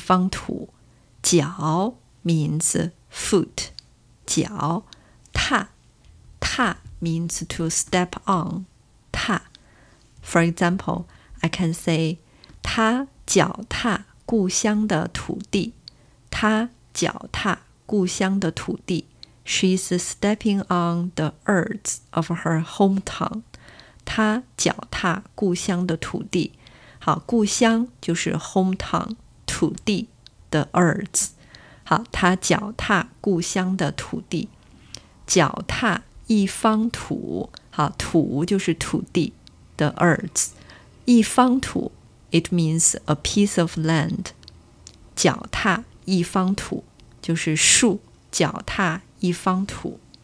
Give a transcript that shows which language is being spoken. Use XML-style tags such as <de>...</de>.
<zh>土，脚</zh> <en>means foot，</en> <zh>脚，踏</zh> <en>means to step on，</en> <zh>踏。</zh> <en>For example, I can say,</en> <zh>他脚踏故乡的土地。他脚踏故乡的土地。</zh> <en>She's stepping on the earth of her hometown.</en> <zh>他脚踏故乡的土地。好，故乡就是 hometown, 土地 the earth. 好，他脚踏故乡的土地。脚踏一方土。好，土就是土地。</zh> <en>The earth,</en> <zh>一方土</zh> <en>it means a piece of land.</en> <zh>脚踏一方土就是树，脚踏一方土。</zh>